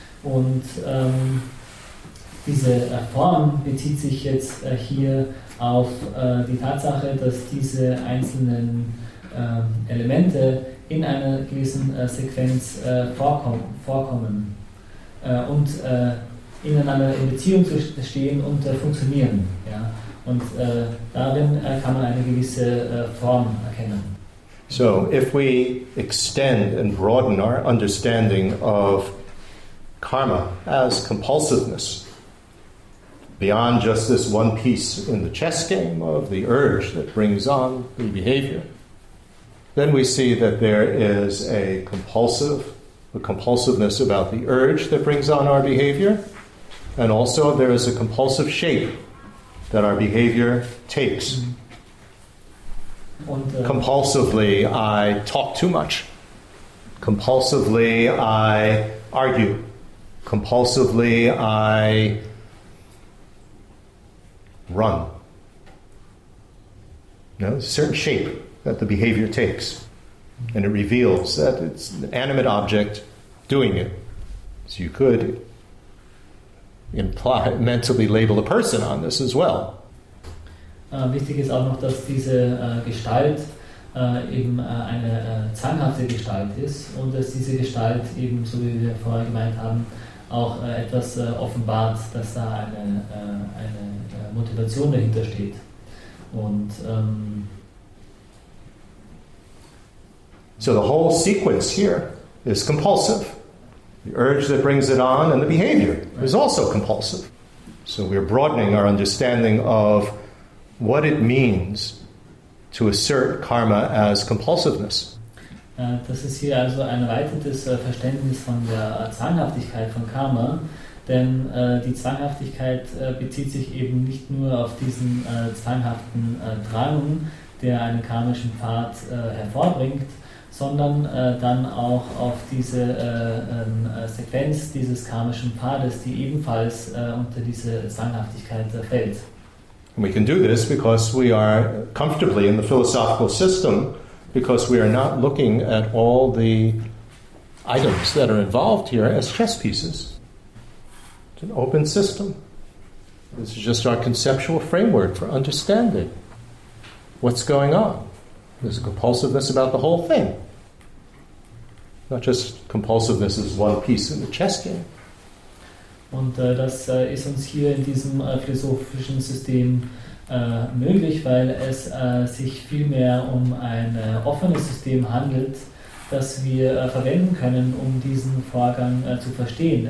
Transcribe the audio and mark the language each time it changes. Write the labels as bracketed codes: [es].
[de] Und diese Form bezieht sich jetzt hier auf die Tatsache, dass diese einzelnen Elemente in einer gewissen Sequenz vorkommen und ineinander in Beziehung stehen und funktionieren. Ja? Und darin kann man eine gewisse Form erkennen. [en] So, if we extend and broaden our understanding of karma as compulsiveness, beyond just this one piece in the chess game of the urge that brings on the behavior, then we see that there is a compulsiveness about the urge that brings on our behavior, and also there is a compulsive shape that our behavior takes. Compulsively, I talk too much. Compulsively, I argue. Compulsively, I run. No, a certain shape that the behavior takes, and it reveals that it's an animate object doing it. So you could imply, mentally label a person on this as well. [de] Wichtig ist auch noch, dass diese Gestalt eben eine zwanghafte Gestalt ist und dass diese Gestalt eben, so wie wir vorher gemeint haben, auch etwas offenbart, dass da eine Motivation dahinter steht. Und, [en] so the whole sequence here is compulsive. The urge that brings it on and the behavior is also compulsive. So we're broadening our understanding of what it means to assert karma as compulsiveness. [de] Das ist hier also ein erweitertes Verständnis von der Zwanghaftigkeit von Karma, denn die Zwanghaftigkeit bezieht sich eben nicht nur auf diesen zwanghaften Drang, der einen karmischen Pfad hervorbringt, sondern dann auch auf diese Sequenz dieses karmischen Pfades, die ebenfalls unter diese Zwanghaftigkeit fällt. [en] And we can do this because we are comfortably in the philosophical system, because we are not looking at all the items that are involved here as chess pieces. It's an open system. This is just our conceptual framework for understanding what's going on. There's a compulsiveness about the whole thing. Not just compulsiveness is one piece in the chess game. [de] Und das ist uns hier in diesem philosophischen System möglich, weil es sich vielmehr um ein offenes System handelt, das wir verwenden können, um diesen Vorgang zu verstehen.